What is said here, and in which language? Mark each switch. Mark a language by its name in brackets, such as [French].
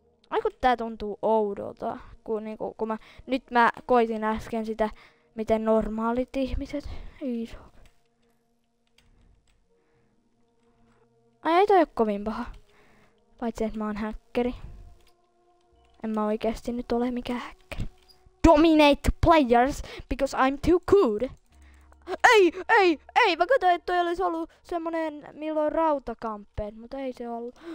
[Finnish] Ai kun tää tuntuu oudolta, kun niinku, kun mä... Nyt mä koitin äsken sitä, miten normaalit ihmiset... Iso. Ai ei toi oo kovin paha. Paitsi että mä oon häkkeri. En mä oikeesti nyt ole mikään häkkeri. [English] Dominate players because I'm too good. [Finnish] Ei! Mä katsoin, että toi olisi ollut semmonen milloin rautakamppeen, mutta ei se ollut.